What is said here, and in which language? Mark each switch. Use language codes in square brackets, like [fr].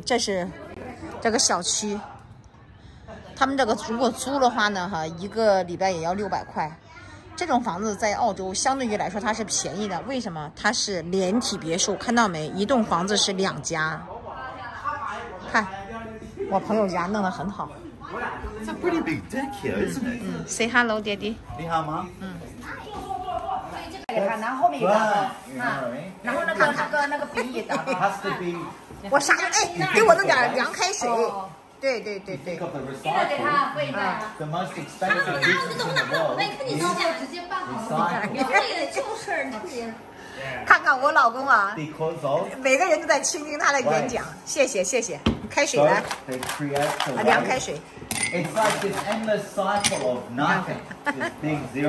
[zh] 这是这个小区，他们这个如果租的话呢，哈，一个礼拜也要600块。这种房子在澳洲相对于来说它是便宜的，为什么？它是连体别墅，看到没？一栋房子是两家。看，我朋友家弄得很好。 [en] It's a pretty big deck here, isn't it? Say hello, Daddy. [zh] 你好吗？然后后面一个，然后呢，看看那个冰椅的，我啥？哎，给我弄点凉开水。对对对对。这个给他喂一个。他们不懂哪弄，没看你弄点，直接拌好了。对，就是那些。看看我老公啊，每个人都在倾听他的演讲，谢谢谢谢，开水来，凉开水。 [en] It's like this endless cycle of nothing, this being zero.